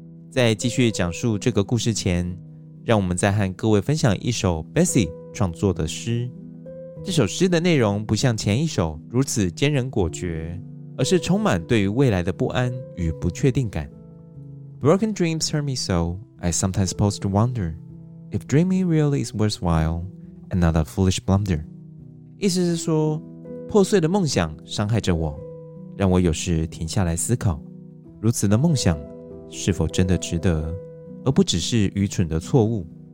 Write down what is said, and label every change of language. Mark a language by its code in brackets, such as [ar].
[zh] 在继续讲述这个故事前，让我们再和各位分享一首 Bessie 创作的诗。这首诗的内容不像前一首如此坚韧果决，而是充满对于未来的不安与不确定感。 [en] Broken dreams hurt me so, I sometimes pause to wonder if dreaming really is worthwhile and not a foolish blunder. [zh] 意思是说，破碎的梦想伤害着我，让我有时停下来思考，如此的梦想是否真的值得，而不只是愚蠢的错误。